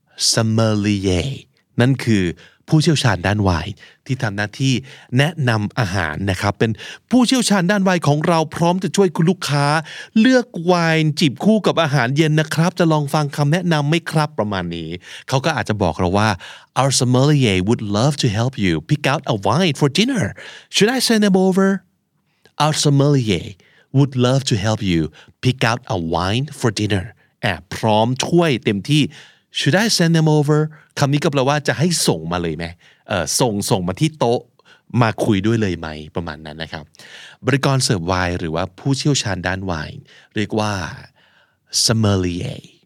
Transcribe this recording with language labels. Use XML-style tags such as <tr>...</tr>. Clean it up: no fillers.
<th>Sommelier นั่นคือผู้เชี่ยวชาญด้านไวน์ที่ทำหน้าที่แนะนำอาหารนะครับเป็นผู้เชี่ยวชาญด้านไวน์ของเราพร้อมจะช่วยคุณลูกค้าเลือกไวน์จิบคู่กับอาหารเย็นนะครับจะลองฟังคำแนะนำไหมครับประมาณนี้เขาก็อาจจะบอกเราว่า</th> <en>Our sommelier would love to help you pick out a wine for dinner. Should I send him over? Our sommelier would love to help you pick out a wine for dinner.</en> <th>แอบพร้อมช่วยเต็มที่</th> <en>Should I send them over?</en> <th>คำนี้ก็แปลว่าจะให้ส่งมาเลยไหมส่งมาที่โต๊ะมาคุยด้วยเลยไหมประมาณนั้นนะครับบริกรเสิร์ฟไวน์หรือว่าผู้เชี่ยวชาญด้านไวน์เรียกว่า sommelier</th>